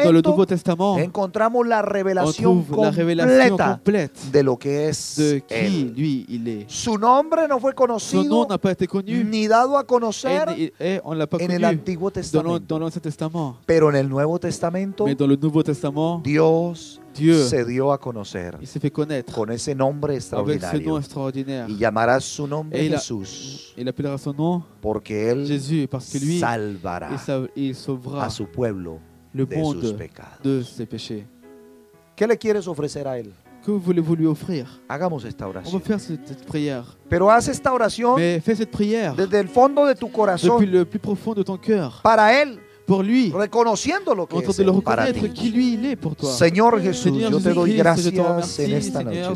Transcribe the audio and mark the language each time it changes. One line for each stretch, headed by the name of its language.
French: Mais dans le Nouveau Testament,
Spanish: encontramos
French: la révélation on trouve la révélation complète
Spanish: de, lo que es
French: de qui
Spanish: él.
French: Lui il est.
Spanish: Su nombre no fue conocido,
French: Son nom n'a pas été connu.
Spanish: Ni dado a conocer
French: on l'a pas
Spanish: en el Antiguo Testamento. Pero en el Nuevo Testamento,
French: Mais dans le Nouveau Testament,
Spanish: Dios
French: Dieu
Spanish: se dio a conocer
French: il s'est fait connaître
Spanish: con ese nombre extraordinario.
French: Avec ce nom extraordinaire.
Spanish: Y llamará su nombre
French: et
Spanish: Jesús.
French: Il appellera son nom
Spanish: porque Él
French: Jésus, parce que lui
Spanish: salvará
French: il sauvera
Spanish: a su pueblo
French: le monde
Spanish: de sus pecados.
French: De ses péchés.
Spanish: ¿Qué le quieres ofrecer a Él?
French: Que voulez-vous lui offrir?
Spanish: Hagamos esta oración.
French: On va faire cette prière.
Spanish: Pero haz esta oración.
French: Mais fais cette prière.
Spanish: Desde el fondo de tu corazón.
French: Depuis le plus profond de ton cœur.
Spanish: Para él.
French: Pour lui.
Spanish: Reconociendo lo que es.
French: En train de le reconnaître qui lui il est pour toi.
Spanish: Señor Jesús, yo te doy gracias en esta noche,